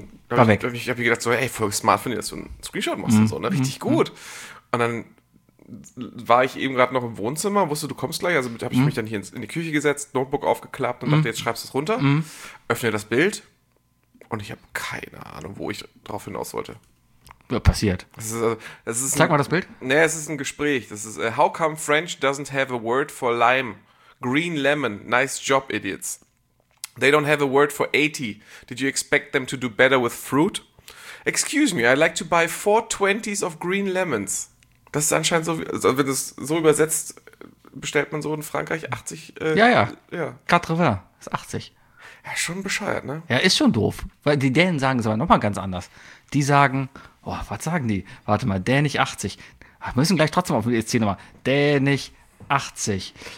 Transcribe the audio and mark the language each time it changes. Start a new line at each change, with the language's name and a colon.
German: Hab ich gedacht so, ey, voll smart von dir, dass du einen Screenshot machst und so, ne, richtig gut. Und dann war ich eben gerade noch im Wohnzimmer, wusste, du kommst gleich, also habe ich mich dann hier in die Küche gesetzt, Notebook aufgeklappt und dachte, jetzt schreibst du es runter, öffne das Bild und ich habe keine Ahnung, wo ich drauf hinaus wollte. Ja, passiert. Zeig mal das Bild. Nee, es ist ein Gespräch. Das ist,
English: how come French doesn't have a word for lime? Green lemon, nice job, idiots. They don't have a word for 80. Did you expect them to do better with fruit? Excuse me, I'd like to buy 4 20s of green lemons.
German: Das ist anscheinend so, also wenn es so übersetzt, bestellt man so in Frankreich 80.
French: Quatre vingt,
German: ist 80. Ja, schon bescheuert, ne? Ja, ist schon doof. Weil die Dänen sagen es aber nochmal ganz anders. Die sagen, oh, was sagen die? Warte mal, dänisch 80. Wir müssen gleich trotzdem auf die ESC nochmal. Dänisch 80.